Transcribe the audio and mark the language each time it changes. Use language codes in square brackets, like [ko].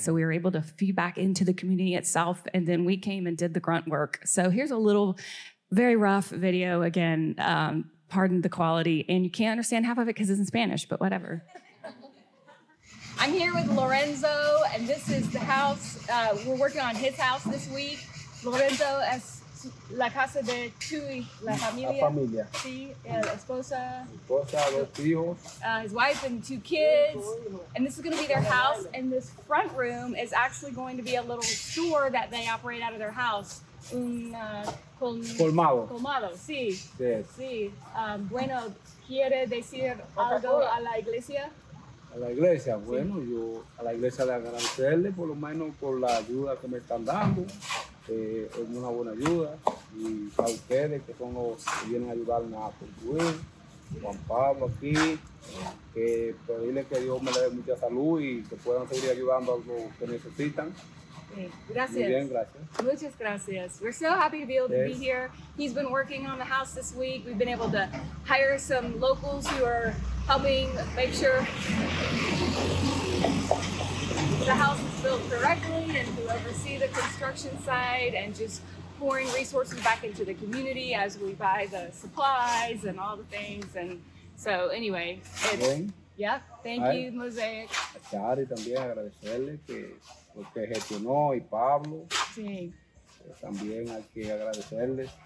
[en] So we were able to feed back into the community itself. And then we came and did the grunt work. So here's a little very rough video again. Pardon the quality, and you can't understand half of it because it's in Spanish, but whatever. I'm here with Lorenzo, and this is the house. We're working on his house this week. [es] Lorenzo es la casa de tu y la familia. La familia. Sí, la esposa. Esposa, los hijos. [en] His wife and two kids. And this is going to be their house, and this front room is actually going to be a little store that they operate out of their house. [es] Colmado. Colmado, sí. Yes. Sí. Bueno, ¿quiere decir algo a la iglesia? A la iglesia, bueno, sí. Yo a la iglesia le agradecerle por lo menos por la ayuda que me están dando. Es una buena ayuda. Y a ustedes que son los que vienen a ayudarme a construir. Juan Pablo aquí. Que pedirle que Dios me le dé mucha salud y que puedan seguir ayudando a los que necesitan. Okay. Gracias. Muy bien, gracias. Muchas gracias. [en] We're so happy to be able to be here. He's been working on the house this week. We've been able to hire some locals who are helping make sure the house is built correctly and who oversee the construction side and just pouring resources back into the community as we buy the supplies and all the things. And so anyway, it's... [es] Bien. [en] Yeah, thank you, Mosaic. [es] A Chari también agradecerle que... Porque gestionó y Pablo. Sí. También hay que agradecerle.